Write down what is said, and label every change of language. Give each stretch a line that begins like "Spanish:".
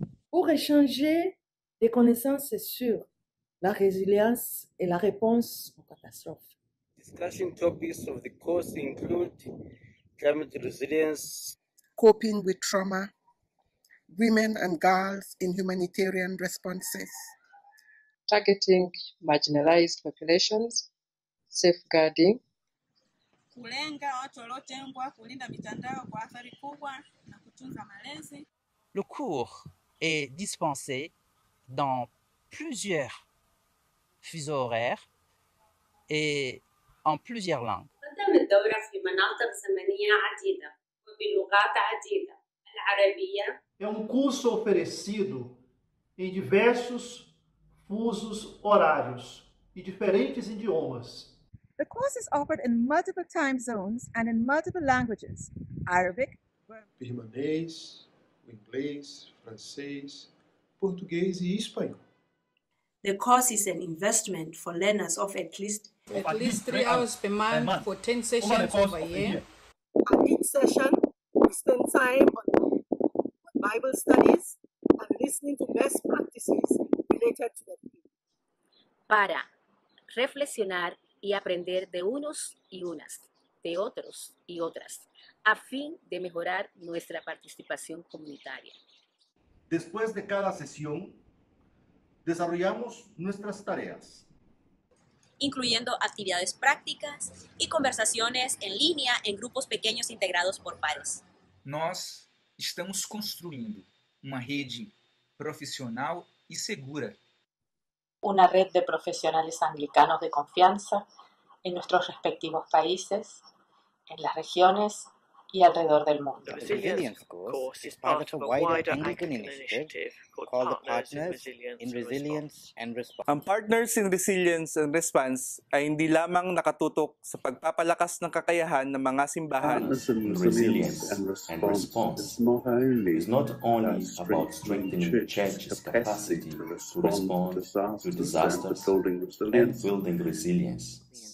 French: Pour échanger des connaissances sur la résilience et la réponse aux catastrophes.
English: Discussion topics of the course include climate resilience, coping with trauma, women and girls in humanitarian responses, targeting marginalized populations, safeguarding,
Swahili: kulenga watu waliotengwa, kulinda mitandao kwa athari kubwa na kutunza malezi.
French: Le cours est dispensé dans plusieurs fuseaux horaires et en plusieurs langues.
Portuguese: É curso oferecido em diversos fusos horários e diferentes idiomas.
English: The course is offered in multiple time zones and in multiple languages: Arabic,
Portuguese: Birmanês, inglês, francês, português e espanhol.
English: The course is an investment for learners of at least 3 hours per month for 10 sessions over a year. Each session, we spend time on Bible studies and listening to best practices related to the field.
Spanish: Para reflexionar y aprender de unos y unas, de otros y otras, a fin de mejorar nuestra participación comunitaria. Después de cada sesión, desarrollamos nuestras tareas, incluyendo actividades prácticas y conversaciones en línea en grupos pequeños integrados por pares. Nos estamos construyendo una red profesional y segura. Una red de profesionales anglicanos de confianza en nuestros respectivos países, en las regiones y alrededor del mundo.
English: The Resilience course is part of a wider Anglican initiative called the Partners in Resilience and Response.
Filipino: Ang Partners in Resilience and Response ay hindi lamang nakatutok sa pagpapalakas ng kakayahan ng mga simbahan.
English: Resilience and response is not only about strengthening church's capacity to respond to disasters and building resilience.